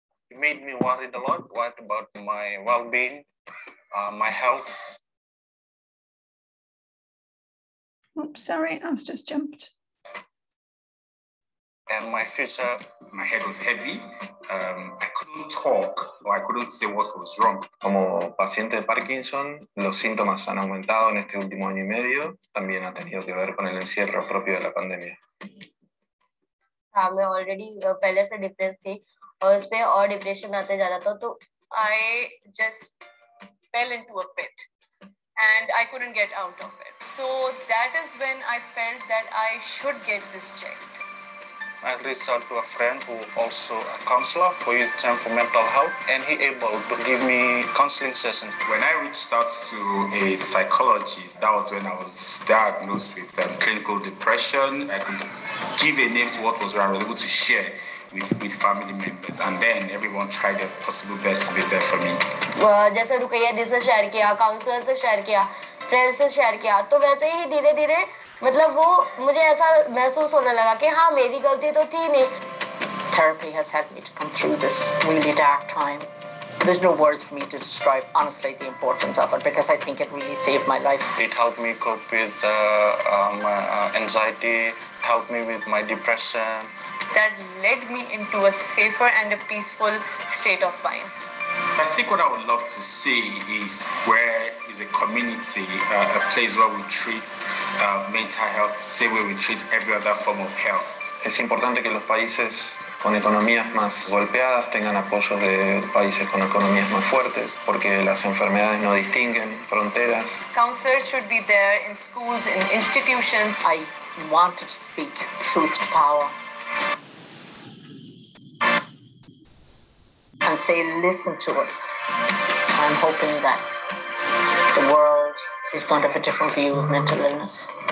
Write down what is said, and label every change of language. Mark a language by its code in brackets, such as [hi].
[en] It made me worried a lot. What about my well-being, my health? Oops, sorry, I was just jumped. And my future, my head was heavy. I couldn't talk, or I couldn't say what was wrong. [es] Como paciente de Parkinson, los síntomas han aumentado en este último año y medio. También ha tenido que ver con el encierro propio de la pandemia. [hi] हमें [en] already [hi] पहले से [en] depressed [hi] थी और उसपे और depression आते जा रहा था तो [en] I just fell into a pit and I couldn't get out of it. So that is when I felt that I should get this checked. I reached out to a friend who also a counselor for youth term for mental health, and he able to give me counseling sessions. When I reached out to a psychologist, that was when I was diagnosed with clinical depression. I could give a name to what was wrong. I was able to share with family members, and then everyone tried their possible best to be there for me. Well, [hi] जैसे रुकिए जैसे share किया counsellor से share किया friends से share किया तो वैसे ही धीरे-धीरे मतलब वो मुझे ऐसा महसूस होने लगा कि हाँ मेरी गलती तो थी नहीं. [en] Therapy has helped me to come through this really dark time. There's no words for me to describe honestly the importance of it because I think it really saved my life. It helped me cope with my anxiety, helped me with my depression. That led me into a safer and a peaceful state of mind. I think what I would love to see is where is a community, a place where we treat mental health the same way we treat every other form of health. [es] Es importante que los países con economías más golpeadas tengan apoyo de países con economías más fuertes, porque las enfermedades no distinguen fronteras. [en] Counselors should be there in schools, in institutions. I want to speak truth to power. And say, listen to us. I'm hoping that the world is going to have a different view of mental illness.